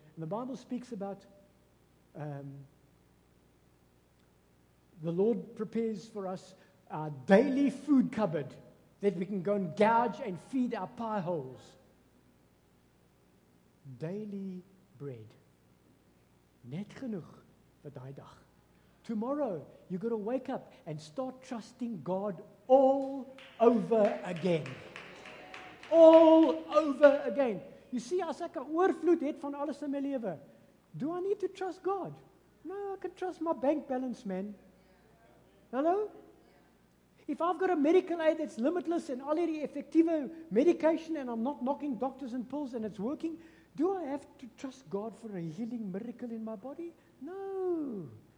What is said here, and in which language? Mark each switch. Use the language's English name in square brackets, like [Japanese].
[English] And the Bible speaks about the Lord prepares for us our daily food cupboard that we can go and gouge and feed our pie holes. Daily bread. [Afrikaans] Net genoeg vir daai dag. [English] Tomorrow, you got to wake up and start trusting God all over again. All over again. You see, [Afrikaans] as ek 'n oorvloed het van alles in my lewe, [English] do I need to trust God? No, I can trust my bank balance, man. Hello? If I've got a medical aid that's limitless and [Afrikaans] al hierdie effektiewe [English] medication and I'm not knocking doctors and pills and it's working, do I have to trust God for a healing miracle in my body? No.